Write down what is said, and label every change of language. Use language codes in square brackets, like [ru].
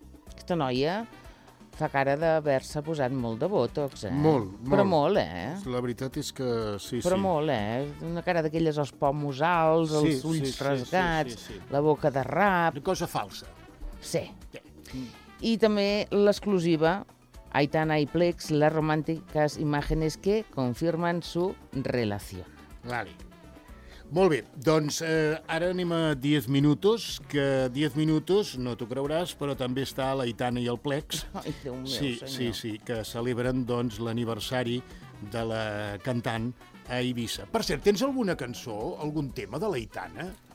[ca] Aquesta noia fa cara d'haver-se posat molt de botox, Molt, molt. Però molt, La veritat és que sí. Però molt, Una cara d'aquelles, els pomos alts, els ulls rasgats, la boca de rap... Una cosa falsa. Sí. I també l'exclusiva... [es] Aitana y Plex, las románticas imágenes que confirman su relación. [ca] Vale. Molt bé, doncs ara anem a 10 minuts, que 10 minuts, no t'ho creuràs, però també està l'Aitana i el Plex. Ai, Déu meu, sí, senyor. Sí, sí, que celebren doncs, l'aniversari de la cantant a Eivissa. Per cert, tens alguna cançó, algun tema de l'Aitana?